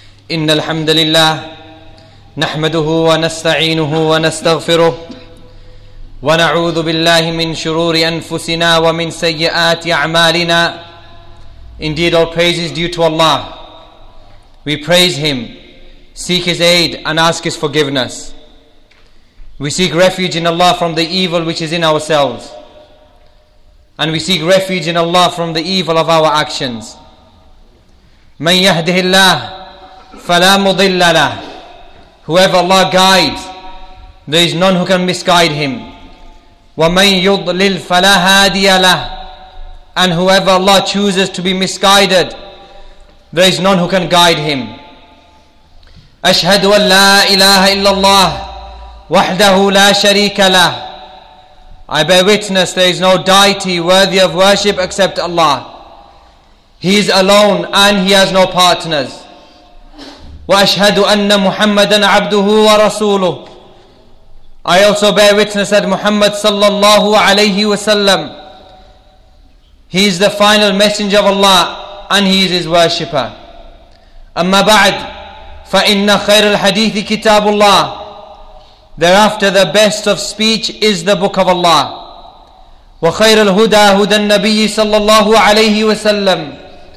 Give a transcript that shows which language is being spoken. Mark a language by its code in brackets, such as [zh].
[ar] إن الحمد لله نحمده ونستعينه ونستغفره ونعوذ بالله من شرور أنفسنا ومن سيئات أعمالنا. [en] Indeed, all praise is due to Allah. We praise Him, seek His aid, and ask His forgiveness. We seek refuge in Allah from the evil which is in ourselves, and we seek refuge in Allah from the evil of our actions. [ar] من يهده الله فلا مضل له. [en] Whoever Allah guides, there is none who can misguide him. [ar] ومن يضلل فلا هادي له. [en] And whoever Allah chooses to be misguided, there is none who can guide him. [ar] أشهد أن لا إله إلا الله وحده لا شريك له. [en] I bear witness there is no deity worthy of worship except Allah. He is alone and He has no partners. [ar] وأشهد أن محمدا عبده ورسوله. [en] I also bear witness that Muhammad [ar] صلى الله عليه وسلم, [en] he is the final messenger of Allah and he is his worshipper. [ar] أما بعد فإن خير الحديث كتاب الله. [en] Thereafter the best of speech is the book of Allah. [ar] وخير الهدى هدى النبي صلى الله عليه وسلم.